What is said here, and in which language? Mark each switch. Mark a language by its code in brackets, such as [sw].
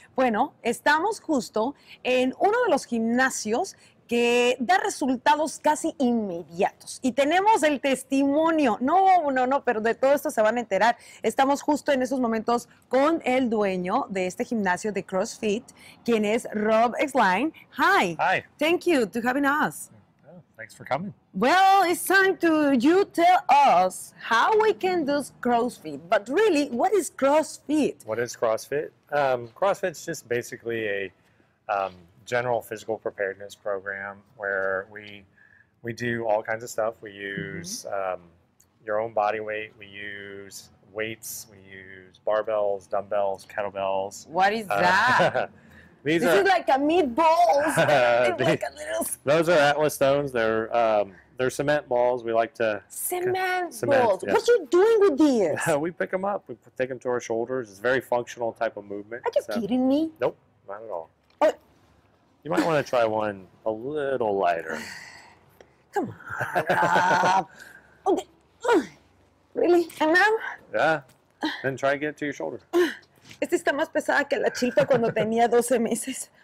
[es] Bueno, estamos justo en uno de los gimnasios que da resultados casi inmediatos. Y tenemos el testimonio. No, no, no, pero de todo esto se van a enterar. Estamos justo en esos momentos con el dueño de este gimnasio de CrossFit, quien es Rob Exline. [en] Hi. Hi. Thank you to having us. Thanks for coming. Well, it's time to you tell us how we can do CrossFit. But really, what is CrossFit? What is CrossFit? CrossFit's just basically a general physical preparedness program where we do all kinds of stuff. We use your own body weight. We use weights. We use barbells, dumbbells, kettlebells. What is that? These are like a meatballs. Those are Atlas stones. They're cement balls. We like to cement balls. Yeah. What are you doing with these? We pick them up. We take them to our shoulders. It's a very functional type of movement. Are you kidding me? Nope, not at all. You might want to try one a little lighter. Come on. Really? And now? Yeah. Then try to get it to your shoulder. [es] Esta está más pesada que la chilpa cuando tenía 12 meses.